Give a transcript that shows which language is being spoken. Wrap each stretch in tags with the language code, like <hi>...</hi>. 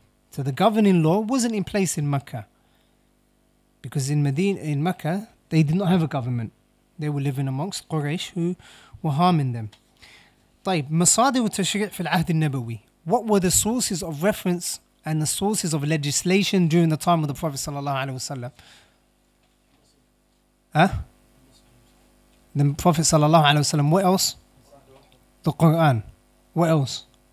<en>So the governing law wasn't in place in Mecca, because in Mecca they did not have a government. They were living amongst Quraysh who were harming them.</en> <ar>طيب مصادر التشريع في العهد النبوي.</ar> <en>What were the sources of reference and the sources of legislation during the time of the Prophet sallallahu alaihi wasallam? The Prophet sallallahu alaihi wasallam. What else? The Quran. What else?</en>